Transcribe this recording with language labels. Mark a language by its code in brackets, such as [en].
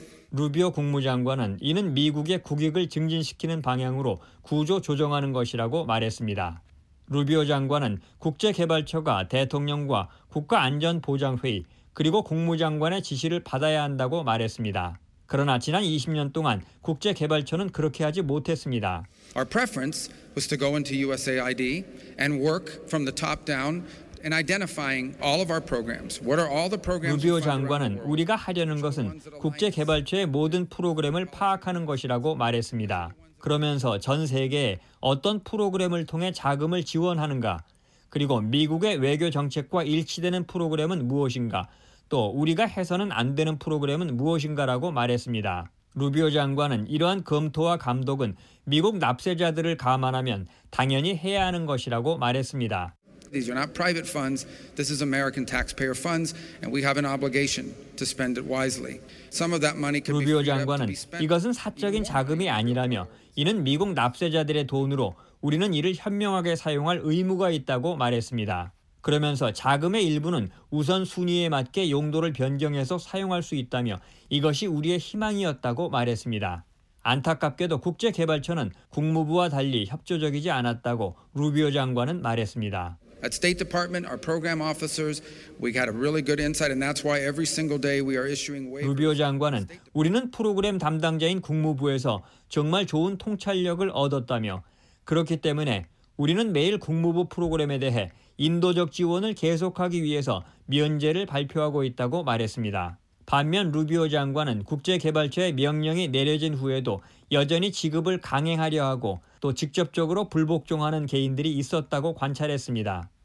[ko] 루비오 국무장관은 이는 미국의 국익을 증진시키는 방향으로 구조 조정하는 것이라고 말했습니다. 루비오 장관은 국제개발처가 대통령과 국가안전보장회의 그리고 국무장관의 지시를 받아야 한다고 말했습니다. 그러나 지난 20년 동안 국제개발처는 그렇게 하지 못했습니다. [en] Our preference was to go into USAID and work from the top down and identifying all of our programs. What are all the programs? [ko] 루비오 장관은 우리가 하려는 것은 국제개발처의 모든 프로그램을 파악하는 것이라고 말했습니다. 그러면서 전 세계에 어떤 프로그램을 통해 자금을 지원하는가, 그리고 미국의 외교 정책과 일치되는 프로그램은 무엇인가, 또 우리가 해서는 안 되는 프로그램은 무엇인가라고 말했습니다. 루비오 장관은 이러한 검토와 감독은 미국 납세자들을 감안하면 당연히 해야 하는 것이라고 말했습니다. [en] These are not private funds. This is American taxpayer funds, and we have an obligation to spend it wisely. Some of that money could be. [ko] 루비오 장관은 이것은 사적인 자금이 아니라며 이는 미국 납세자들의 돈으로 우리는 이를 현명하게 사용할 의무가 있다고 말했습니다. 그러면서 자금의 일부는 우선순위에 맞게 용도를 변경해서 사용할 수 있다며 이것이 우리의 희망이었다고 말했습니다. 안타깝게도 국제개발처는 국무부와 달리 협조적이지 않았다고 루비오 장관은 말했습니다. [en] At State Department, our program officers, we got a really good insight, and that's why every single day we are issuing waivers. [ko] 루비오 장관은 우리는 프로그램 담당자인 국무부에서 정말 좋은 통찰력을 얻었다며 그렇기 때문에 우리는 매일 국무부 프로그램에 대해 인도적 지원을 계속하기 위해서 면제를 발표하고 있다고 말했습니다. 반면 루비오 장관은 국제개발처의 명령이 내려진 후에도 여전히 지급을 강행하려 하고 또 직접적으로 불복종하는 개인들이 있었다고 관찰했습니다.